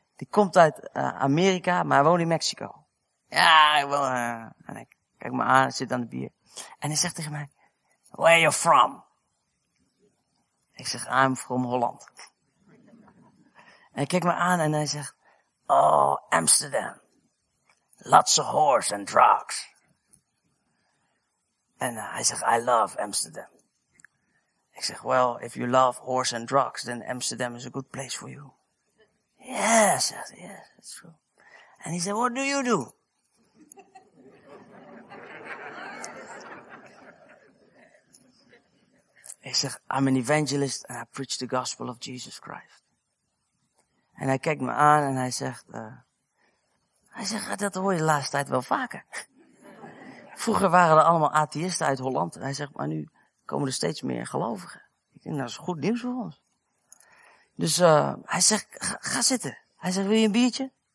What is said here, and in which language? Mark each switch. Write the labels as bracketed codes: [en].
[nl] Die komt uit Amerika, maar hij woont in Mexico. Ja, ik woon. En ik kijk me aan, zit aan de bier. En hij zegt tegen mij, [en] where are you from? [nl] Ik zeg, [en] I'm from Holland. [nl] En hij kijkt me aan en hij zegt, oh, Amsterdam. [en] Lots of whores and drugs. [nl] En hij zegt, [en] I love Amsterdam. [nl] Ik zeg, [en] well, if you love whores and drugs, then Amsterdam is a good place for you. Yes, yes, yes, that's true. And he said, what do you do? He said, I'm an evangelist and I preach the gospel of Jesus Christ. [nl] And hij kijkt me aan en hij zegt, dat hoor je de laatste tijd wel vaker. Vroeger waren er allemaal atheïsten uit Holland. En hij zegt, maar nu komen er steeds meer gelovigen. Ik denk, dat is goed nieuws voor ons. Dus hij zegt, ga zitten. Hij zegt, wil je een biertje?